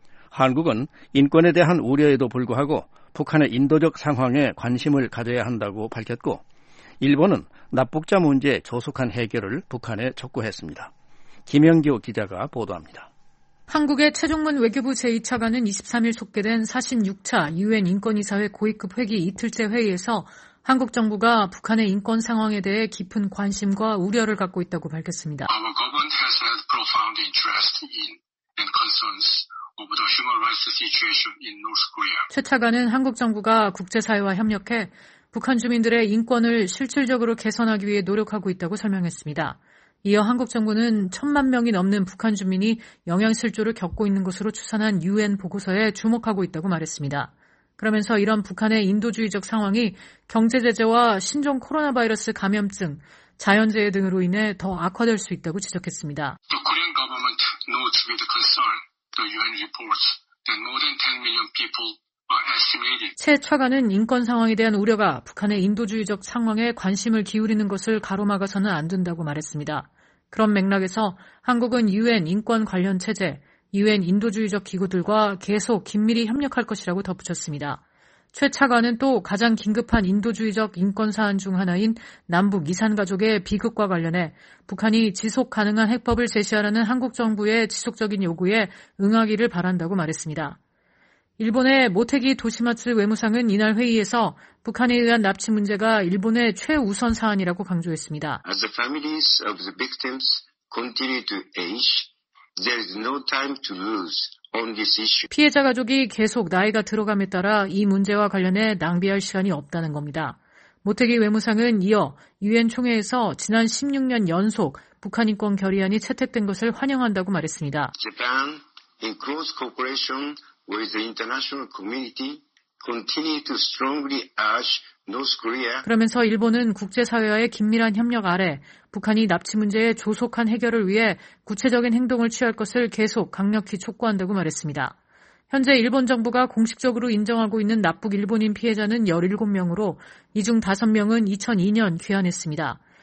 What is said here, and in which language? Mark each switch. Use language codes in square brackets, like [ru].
[ko] 한국은 인권에 대한 우려에도 불구하고 북한의 인도적 상황에 관심을 가져야 한다고 밝혔고, 일본은 납북자 문제의 조속한 해결을 북한에 촉구했습니다. 김영규 기자가 보도합니다. 한국의 최종문 외교부 제2차관은 23일 속개된 46차 유엔 인권이사회 고위급 회기 이틀째 회의에서 한국 정부가 북한의 인권 상황에 대해 깊은 관심과 우려를 갖고 있다고 밝혔습니다. [en] Our government has a profound interest in and concerns of the human rights situation in North Korea. [ko] 최 차관은 한국 정부가 국제사회와 협력해 북한 주민들의 인권을 실질적으로 개선하기 위해 노력하고 있다고 설명했습니다. 이어 한국 정부는 천만 명이 넘는 북한 주민이 영양실조를 겪고 있는 것으로 추산한 UN 보고서에 주목하고 있다고 말했습니다. 그러면서 이런 북한의 인도주의적 상황이 경제제재와 신종 코로나 바이러스 감염증, 자연재해 등으로 인해 더 악화될 수 있다고 지적했습니다. [en] The Korean government notes with concern the UN reports that more than 10 million people [ko] 최 차관은 인권 상황에 대한 우려가 북한의 인도주의적 상황에 관심을 기울이는 것을 가로막아서는 안 된다고 말했습니다. 그런 맥락에서 한국은 UN 인권 관련 체제, UN 인도주의적 기구들과 계속 긴밀히 협력할 것이라고 덧붙였습니다. 최 차관은 또 가장 긴급한 인도주의적 인권 사안 중 하나인 남북 이산가족의 비극과 관련해 북한이 지속 가능한 해법을 제시하라는 한국 정부의 지속적인 요구에 응하기를 바란다고 말했습니다. 일본의 모테기 도시마츠 외무상은 이날 회의에서 북한에 의한 납치 문제가 일본의 최우선 사안이라고 강조했습니다. [en] As the families of the victims continue to age, there is no time to lose on this issue. [ko] 피해자 가족이 계속 나이가 들어감에 따라 이 문제와 관련해 낭비할 시간이 없다는 겁니다. 모테기 외무상은 이어 유엔 총회에서 지난 16년 연속 북한 인권 결의안이 채택된 것을 환영한다고 말했습니다. [en] Japan in close cooperation with the international community continue to strongly urge North Korea. [ko] 그러면서 일본은 국제사회와의 긴밀한 협력 아래 북한이 납치 문제의 조속한 해결을 위해 구체적인 행동을 취할 것을 계속 강력히 촉구한다고 말했습니다. 현재 일본 정부가 공식적으로 인정하고 있는 납북 일본인 피해자는 17명으로 이 중 5명은 2002년 귀환했습니다.